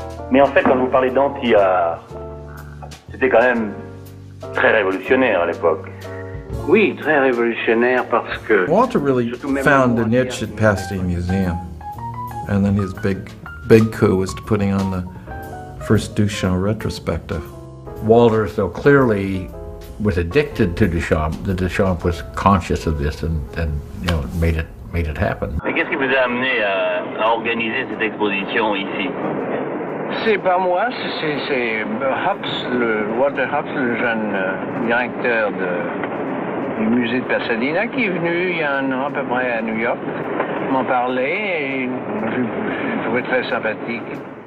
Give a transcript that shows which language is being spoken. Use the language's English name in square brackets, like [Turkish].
[French] Mais en fait, quand vous parlez d'anti-art, c'était quand même très révolutionnaire à l'époque. Oui, très révolutionnaire parce que [English] Walter really found a niche at Pasadena Museum, and then his big coup was to putting on the first Duchamp retrospective. Walter so clearly was addicted to Duchamp that Duchamp was conscious of this and you know made it happen. [French] Mais qu'est-ce qui vous a amené à organiser cette exposition ici? C'est pas moi, c'est Hubs, Walter Hubs, le jeune directeur du musée de Pasadena, qui est venu il y a un an à peu près à New York, m'en parler, et je trouvais très sympathique.